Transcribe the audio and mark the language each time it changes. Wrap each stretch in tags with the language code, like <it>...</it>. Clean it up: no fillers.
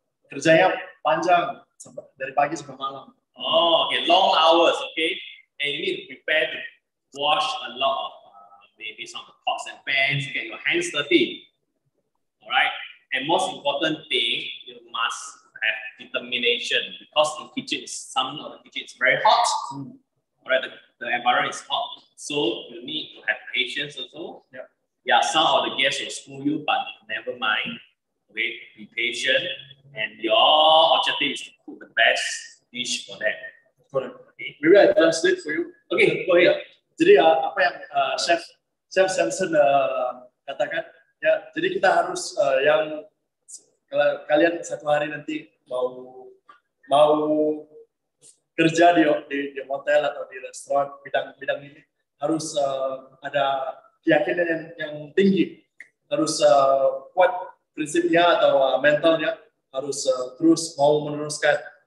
<id>Kerjanya panjang, dari pagi sampai malam.</id> <en>Oh, okay, long hours. Okay, and you need to prepare to wash a lot of maybe some pots and pans, get your hands dirty. All right. And most important thing, you must have determination, because the kitchen is, some of the kitchen is very hot. Mm. Right, the environment is hot. So you need to have patience also. Yeah. Yeah, some of the guests will school you, but never mind. Okay, be patient. And your objective is to cook the best dish for them. Correct. Okay. Maybe I translate for you. Okay, go ahead.</en> <id>Jadi apa yang Chef Samsom katakan, ya, jadi kita harus yang kalian satu hari nanti mau kerja di hotel atau di restoran bidang ini harus ada keyakinan yang tinggi, harus kuat prinsipnya atau mentalnya, harus terus mau meneruskan.</id>